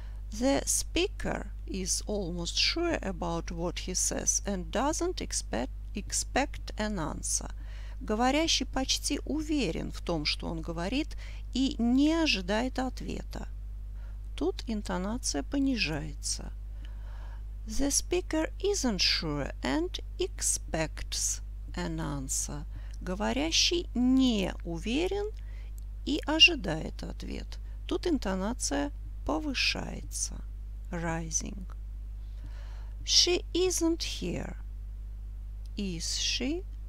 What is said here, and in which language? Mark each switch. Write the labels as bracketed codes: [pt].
[en] The speaker is almost sure about what he says and doesn't expect an answer. [ru] Говорящий почти уверен в том, что он говорит, и не ожидает ответа. Тут интонация понижается. [en] The speaker isn't sure and expects an answer. [ru] Говорящий не уверен и ожидает ответ. Тут интонация повышается. [en] Rising. She isn't here. Is she?